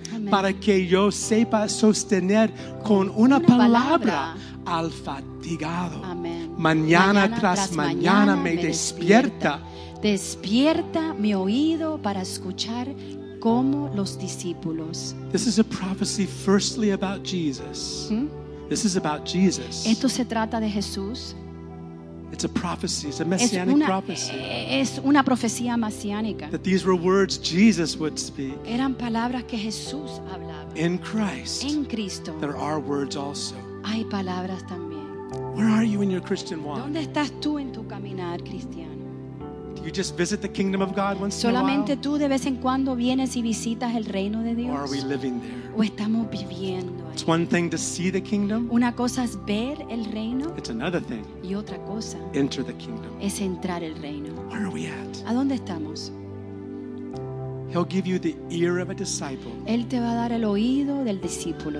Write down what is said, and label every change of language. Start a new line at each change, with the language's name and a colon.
English: Amen.
Spanish: Para que yo sepa sostener con una palabra al fatigado. Mañana tras mañana me despierta. Despierta mi oído para escuchar como los discípulos.
English: This is a prophecy firstly about Jesus. This is about Jesus.
Spanish: Esto se trata de Jesús.
English: It's a prophecy. It's a messianic prophecy.
Spanish: Es una profecía masiánica.
English: That these were words Jesus would speak.
Spanish: Eran palabras que Jesús hablaba.
English: In Christ.
Spanish: En Cristo.
English: There are words also.
Spanish: Hay palabras también.
English: Where are you in your Christian walk?
Spanish: ¿Dónde estás tú en tu caminar cristiano?
English: Do you just visit the kingdom of God once
Spanish: solamente
English: in a while?
Spanish: Tú de vez en cuando vienes y visitas el reino de Dios.
English: Or are we living there?
Spanish: O estamos viviendo ahí.
English: It's one thing to see the kingdom.
Spanish: Una cosa es ver el reino.
English: It's another thing.
Spanish: Y otra cosa.
English: Enter the kingdom.
Spanish: Es entrar el reino.
English: Where are we at?
Spanish: ¿A dónde estamos?
English: He'll give you the ear of a disciple.
Spanish: Él te va a dar el oído del discípulo.